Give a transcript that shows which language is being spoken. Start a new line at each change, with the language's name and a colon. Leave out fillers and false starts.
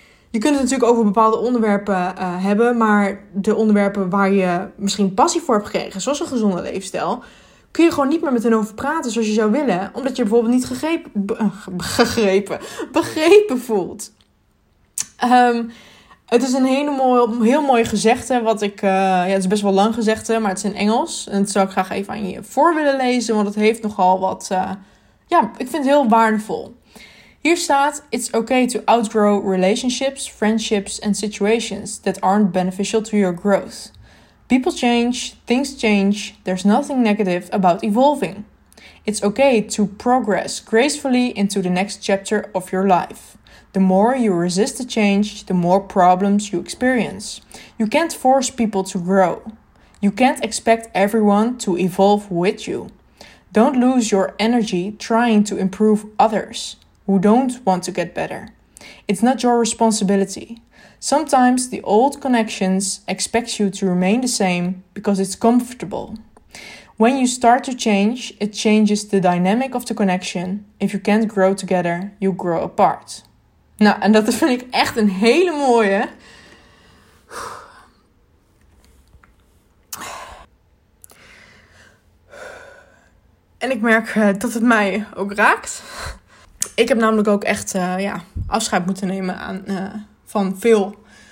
Dutch: Je kunt het natuurlijk over bepaalde onderwerpen hebben, maar de onderwerpen waar je misschien passie voor hebt gekregen, zoals een gezonde leefstijl, kun je gewoon niet meer met hen over praten zoals je zou willen, omdat je bijvoorbeeld niet begrepen voelt. Het is een heel mooi gezegde, wat ik, het is best wel lang gezegde, maar het is in Engels. En dat zou ik graag even aan je voor willen lezen, want het heeft nogal wat, ik vind het heel waardevol. Hier staat,
English: it's okay to outgrow relationships, friendships and situations that aren't beneficial to your growth. People change, things change, there's nothing negative about evolving. It's okay to progress gracefully into the next chapter of your life. The more you resist the change, the more problems you experience. You can't force people to grow. You can't expect everyone to evolve with you. Don't lose your energy trying to improve others who don't want to get better. It's not your responsibility. Sometimes the old connections expect you to remain the same because it's comfortable. When you start to change, it changes the dynamic of the connection. If you can't grow together, you grow apart.
Dutch: Nou, en dat vind ik echt een hele mooie. En ik merk dat het mij ook raakt. Ik heb namelijk ook echt afscheid moeten nemen aan, van veel.